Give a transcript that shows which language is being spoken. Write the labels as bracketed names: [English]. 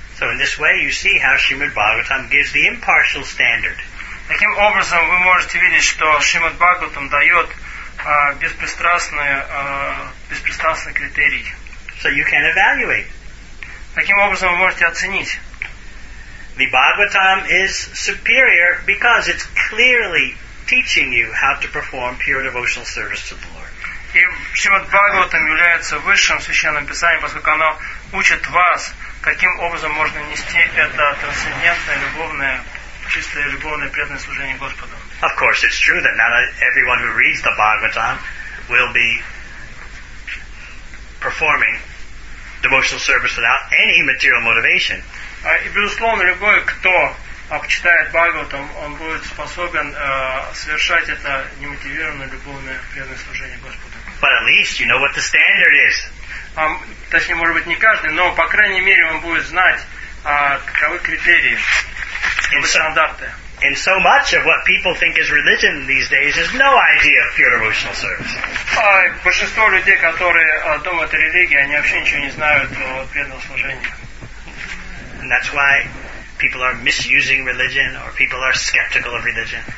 [English] So in this way you see how Srimad Bhagavatam gives the impartial standard. [Russian] Таким образом вы можете видеть, что Шримад Бхагаватам дает беспристрастный критерий. [English] So you can evaluate. [Russian] Таким образом вы можете оценить. [English] The Bhagavatam is superior because it's clearly teaching you how to perform pure devotional service to the Lord. [Russian] И Шримад Бхагаватам является высшим священным писанием, поскольку оно учит вас, каким образом можно нести это трансцендентное, любовное, чистое, любовное преданное служение Господу. [English] Of course, it's true that not everyone who reads the Bhagavatam will be performing devotional service without any material motivation. [Russian] И безусловно, любой, кто читает Бхагаватам, он будет способен совершать это немотивированное, любовное, преданное служение Господу. [English] But at least you know what the standard is. [Russian] Точнее, может быть, не каждый, но, по крайней мере, он будет знать, каковы критерии, каковы стандарты. [English] And so much of what people think is religion these days is no idea of pure devotional service. [Russian] Большинство людей, которые думают о религии, они вообще ничего не знают о преданном служении. [English] And that's why people are misusing religion or people are skeptical of religion.